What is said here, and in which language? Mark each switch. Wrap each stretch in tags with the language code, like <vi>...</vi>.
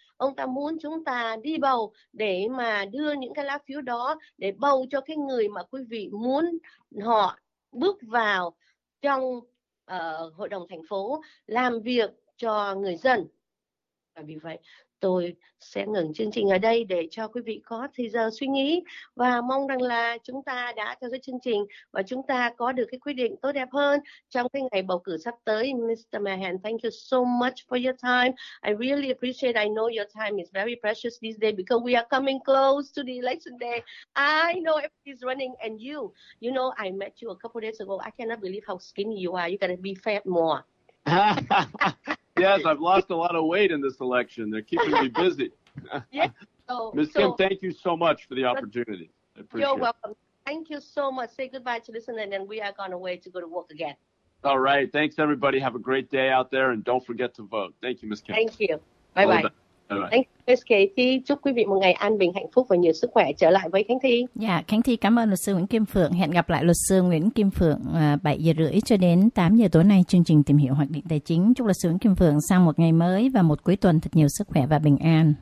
<vi>Ông ta muốn chúng ta đi bầu để mà đưa những cái lá phiếu đó để bầu cho cái người mà quý vị muốn họ bước vào trong hội đồng thành phố làm việc cho người dân. Và vì vậy tôi sẽ ngừng chương trình ở đây để cho quý vị có thời giờ suy nghĩ, và mong rằng là chúng ta đã theo dõi chương trình và chúng ta có được cái quyết định tốt đẹp hơn trong cái ngày bầu cử sắp tới.</vi> <en>Mr. Mahan, thank you so much for your time. I really appreciate, I know your time is very precious this day because we are coming close to the election day. I know everybody's running, and you know, I met you a couple days ago. I cannot believe how skinny you are. You gotta be fat more. Yes, I've lost a lot of weight in this election. They're keeping me busy. Ms. Kim, thank you so much for the opportunity. I appreciate you're welcome. It. Thank you so much. Say goodbye to listen, and then we are going away to go to work again. All right. Thanks, everybody. Have a great day out there, and don't forget to vote. Thank you, Ms. Kim. Thank you. Bye-bye. Thank you, Ms. Katie.</en> <vi>Chúc quý vị một ngày an bình, hạnh phúc và nhiều sức khỏe. Trở lại với Khánh Thi. Dạ, Khánh Thi cảm ơn luật sư Nguyễn Kim Phượng. Hẹn gặp lại luật sư Nguyễn Kim Phượng 7:30 cho đến 8:00 tối nay, chương trình Tìm hiểu Hoạch định Tài chính. Chúc luật sư Nguyễn Kim Phượng sang một ngày mới và một cuối tuần thật nhiều sức khỏe và bình an.</vi>